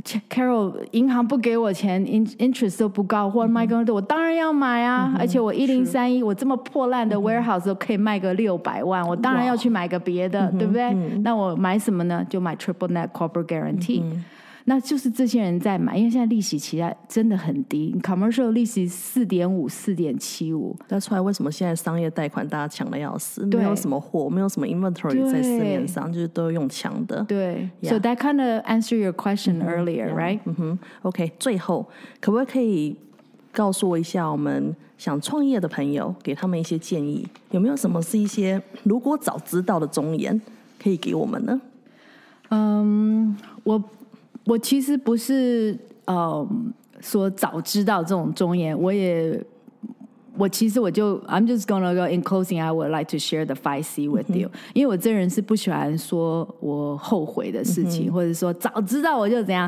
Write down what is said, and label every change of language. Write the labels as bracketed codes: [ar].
[zh] Carol 银行不给我钱 interest 都不高或者卖更多、嗯、我当然要买啊、嗯、而且我1031我这么破烂的 warehouse 都可以卖个600万、嗯、我当然要去买个别的对不对、嗯、那我买什么呢，就买 [en] triple net corporate guarantee、 [zh] 嗯、那就是这些人在买，因为现在利息其实真的很低 commercial 利息 4.5 4.75，那出来为什么现在商业贷款大家抢的要死，没有什么货没有什么 inventory 在市面上，就是都用抢的，对、 [en] yeah. So that kind of answer your question、嗯、 earlier、嗯、 right、 [zh] 嗯、OK 最后可不可以告诉我一下我们想创业的朋友给他们一些建议，有没有什么是一些如果早知道的忠言可以给我们呢？嗯，我其实不是、说早知道这种忠言，我其实 [en] I'm just gonna go in closing I would like to share the 5C with you、 [zh] 嗯、因为我这人是不喜欢说我后悔的事情、嗯、或者说早知道我就怎样，